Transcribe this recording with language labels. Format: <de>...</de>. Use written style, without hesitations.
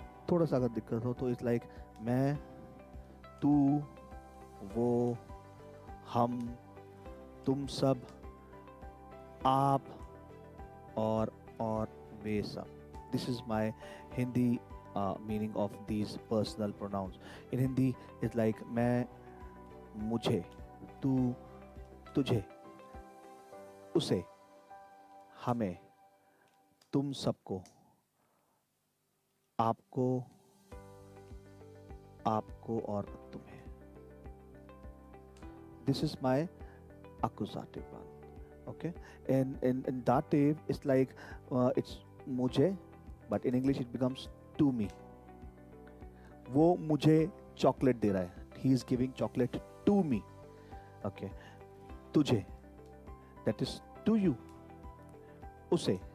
<hi>थोड़ा सा अगर दिक्कत हो तो</hi> <en>it's like</en> <hi>मैं, तू, वो, हम, तुम सब, आप और वे सब.</hi> <en>This is my Hindi meaning of these personal pronouns. In Hindi, it's like</en> <hi>मैं, मुझे, तू, तुझे, उसे, हमें, तुम सबको, आपको, आपको और तुम्हें.</hi> <en>This is my accusative one. Okay, in dative, it's like it's मुझे. But in English, it becomes to me.</en> <hi>Wo mujhe chocolate de raha hai.</hi> <en>He is giving chocolate to me. Okay. Tujhe. That is to you. Use.</en>